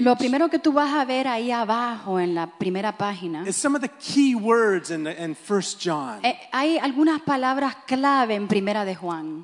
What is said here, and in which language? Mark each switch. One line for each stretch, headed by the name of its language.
Spanish: Lo primero que tú vas a ver ahí abajo en la primera página.
English: Is some of the key words in 1 John.
Spanish: Hay algunas palabras clave en primera de Juan.